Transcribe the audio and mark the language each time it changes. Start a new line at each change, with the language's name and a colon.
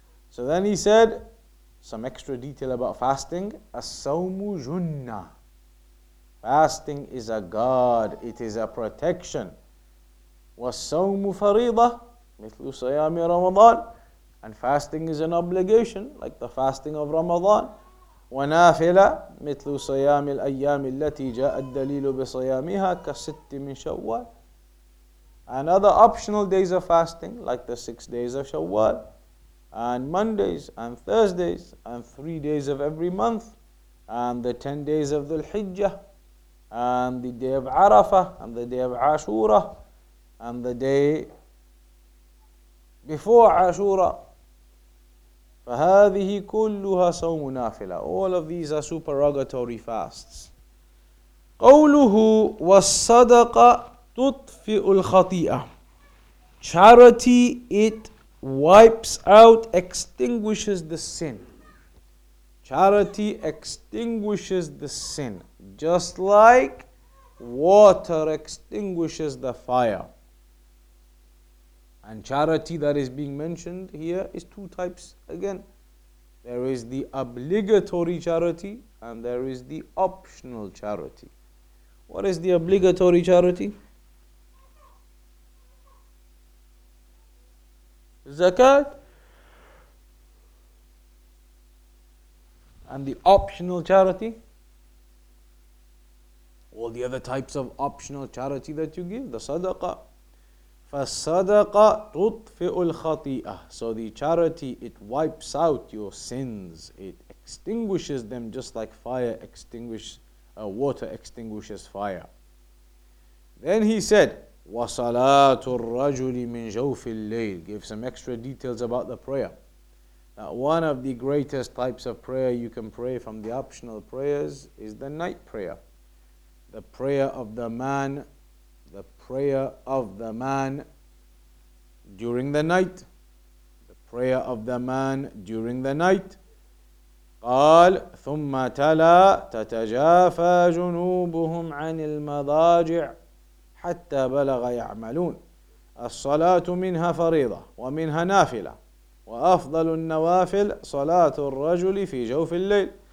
English: So then he said, some extra detail about fasting.
Arabic: As-sawmu junna.
English: Fasting is a guard. It is a protection.
Arabic: Was-sawmu fariḍah. مثل صيام رمضان.
English: And fasting is an obligation, like the fasting of Ramadan.
Arabic: ونافلة مثل صيام الأيام التي جاء الدليل بصيامها كست من شوال.
English: And other optional days of fasting, like the 6 days of شوال. And Mondays and Thursdays and 3 days of every month. And the 10 days of Dhul Hijjah. And the day of Arafah and the day of Ashura. And the day before Ashura.
Arabic: فهذه كلها صوم نافلة.
English: All of these are supererogatory fasts.
Arabic: قوله والصدقة تطفئ الخطيئة.
English: Charity, it wipes out, extinguishes the sin. Charity extinguishes the sin. Just like water extinguishes the fire. And charity that is being mentioned here is two types again. There is the obligatory charity and there is the optional charity. What is the obligatory charity? Zakat. And the optional charity? All the other types of optional charity that you give, the sadaqah.
Arabic: فَالصَّدَقَ تُطْفِئُ الْخَطِيئَةِ.
English: So the charity, it wipes out your sins. It extinguishes them just like fire water extinguishes fire. Then he said,
Arabic: وَصَلَاتُ الرَّجُلِ مِنْ جَوْفِ اللَّيْلِ.
English: Give some extra details about the prayer. Now one of the greatest types of prayer you can pray from the optional prayers is the night prayer. The prayer of the man, the prayer of the man during the night. The prayer of the man during the night.
Arabic: قال ثم تلا تتجافى جنوبهم عن المضاجع حتى بلغ يعملون. الصلاة منها فريضة ومنها نافلة وأفضل النوافل صلاة الرجل في جوف الليل.